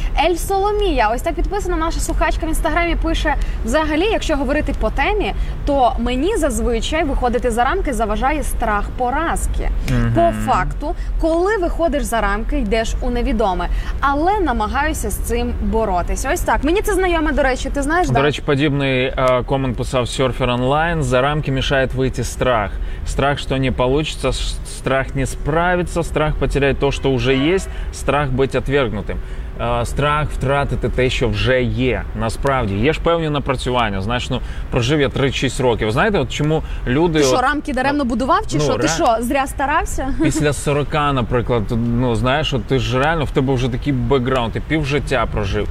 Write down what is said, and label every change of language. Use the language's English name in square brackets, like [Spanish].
[Ukrainian] Ель Соломія, ось так підписана наша слухачка в Інстаграмі, пише, взагалі, якщо говорити по темі, то мені зазвичай виходити за рамки заважає страх поразки. Угу. По факту, коли виходиш за рамки, йдеш у невідоме, але намагаюся з цим боротись. Ось так. Мені це знайоме, до речі, ти знаєш? До речі, подібний комент писав Surfer Online, за рамки мішає вийти страх. [Russian] Страх, что не получится, страх не справиться, страх потерять то, что уже есть, страх быть отвергнутым. [Ukrainian] Страх втратити те, що вже є. Насправді, є ж певні напрацювання. Знаєш, ну, прожив я 3-6 років. Знаєте, от чому люди... Ти що, рамки даремно будував, чи що? Ти що, зря старався? Після 40, наприклад, ну, знаєш, от ти ж реально, в тебе вже такий бекграунд, ти півжиття прожив.